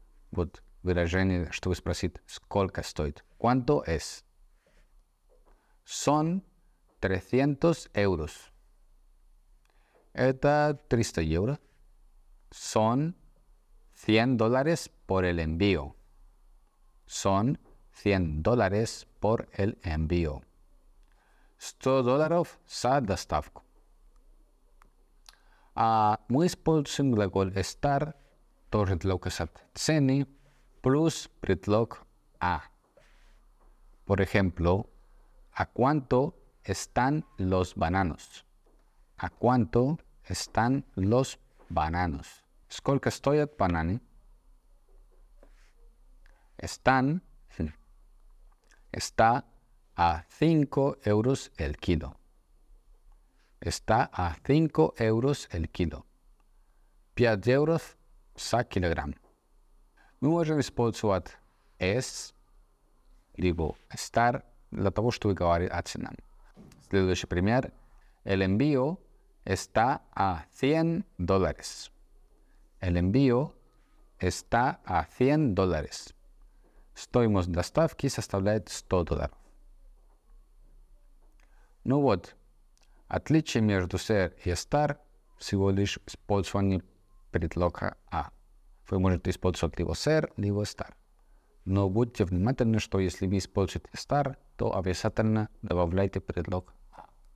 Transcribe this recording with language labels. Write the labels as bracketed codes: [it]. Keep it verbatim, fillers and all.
[ru] Вот выражение, чтобы спросить, сколько стоит. [es] ¿Cuánto es? Son trescientos euros. [ru] Это триста евро. [es] Son cien dólares por el envío. Son cien dólares por el envío. [ru] сто долларов за доставку. А мы используем глаголь estar, тоже для указать цены, плюс предлог a. [es] Por ejemplo, ¿a cuánto están los bananos? ¿A cuánto están los bananos? [ru] Сколько стоят бананы? [es] Están, está a cinco euros el kilo. Está a cinco euros el kilo. [ru] пять евров за килограмм. Мы можем использовать es, либо estar, для того, чтобы говорить о цене. Следующий пример. [es] El envío está a cien dólares. El envío está a cien dólares. [ru] Стоимость доставки составляет сто долларов. Ну вот, отличие между ser и estar всего лишь использование предлога a. Вы можете использовать либо ser, либо estar. Но будьте внимательны, что если вы используете estar, то обязательно добавляйте предлог a.